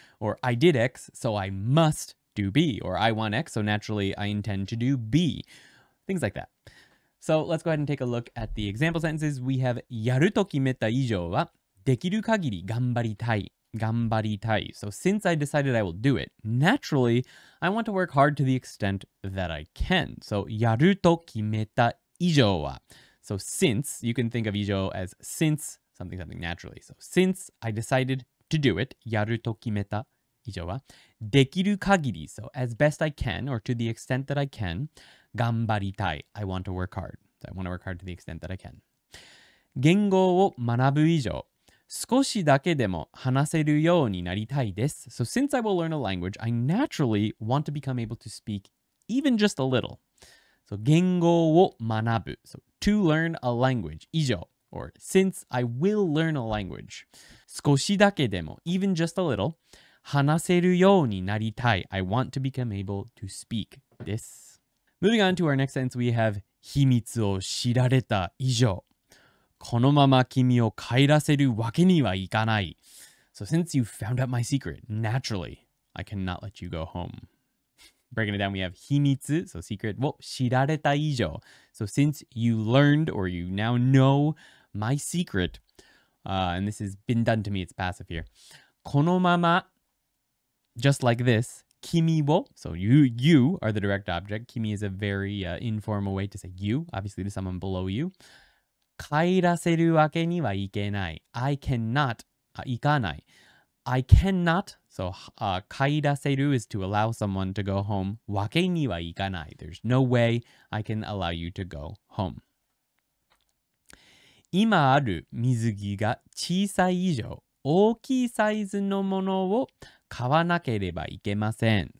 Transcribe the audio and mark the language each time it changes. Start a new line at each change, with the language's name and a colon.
English: Or I did X, so I must do B. Or I want X, so naturally I intend to do B. Things like that. So let's go ahead and take a look at the example sentences.
Japanese: We have やると決めた以上はできる限り頑張りたい。頑張りたい。
English: So since I decided I will do it, naturally, I want to work hard to the extent that I can.
Japanese: So やると決めた以上は。
English: So since, you can think of 以上 as since something something naturally. So since I decided to do it, やると決めた以上は。できる限り、 so as best I can or to the extent that I can, 頑張りたい。 I want to work hard. So I want to work hard to the extent that I can.
Japanese: 言語を学ぶ以上。少しだけでも話せるようになりたいです。
English: So since I will learn a language, I naturally want to become able to speak even just a little. So 言語を学ぶ. So to learn a language. 以上. Or since I will learn a language. 少しだけでも, even just a little,
Japanese: 話せるようになりたい。
English: I want to become able to speak this. Moving on to our next sentence, we have 秘密を知られた以上。
Japanese: このまま君を帰らせるわけにはいかない。
English: So since you found out my secret, naturally, I cannot let you go home. Breaking it down, we have 秘密, so secret, を知られた以上。 So since you learned or you now know my secret,and this has been done to me, it's passive here. このまま、 just like this, 君を, so you are the direct object. 君 is a very informal way to say you, obviously to someone below you.
Japanese: 帰らせるわけにはいけない。
English: I cannot, 行かない。 I cannot, so 帰らせる is to allow someone to go home.
Japanese: わけにはいかない。
English: There's no way I can allow you to go home.
Japanese: 今ある水着が小さい以上、大きいサイズのものを買わなければいけません。